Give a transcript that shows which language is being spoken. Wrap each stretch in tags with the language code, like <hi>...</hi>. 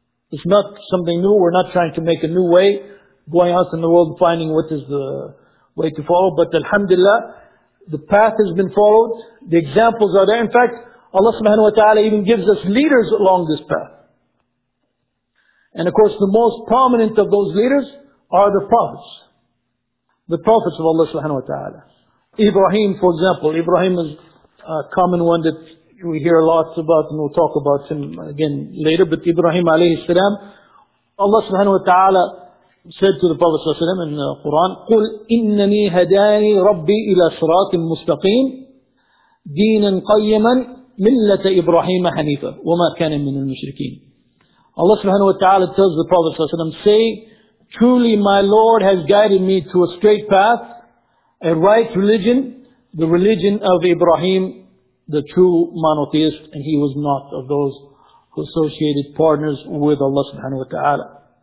<en>It's not something new, we're not trying to make a new way, going out in the world finding what is the way to follow, but alhamdulillah, the path has been followed, the examples are there. In fact, Allah subhanahu wa ta'ala even gives us leaders along this path. And of course, the most prominent of those leaders are the prophets. The prophets of Allah subhanahu wa ta'ala. Ibrahim, for example. Ibrahim is a common one that we hear a lot about, and we'll talk about him again later. But Ibrahim alayhi salam, Allah subhanahu wa ta'ala said to the Prophet صلى الله عليه وسلم in the Quran,</en> <ar>قُلْ إِنَّنِي هَدَانِي رَبِّي إِلَى صِرَاطٍ مُسْتَقِيمٍ دِينًا قَيِّمًا مِلَّةَ إِبْرَاهِيمَ حَنِيفًا وَمَا كَانَ مِنَ الْمُشْرِكِينَ.</ar> <en>Allah subhanahu wa ta'ala tells the Prophet صلى الله عليه وسلم, say, truly my Lord has guided me to a straight path, a right religion, the religion of Ibrahim, the true monotheist, and he was not of those who associated partners with Allah subhanahu wa ta'ala.</en>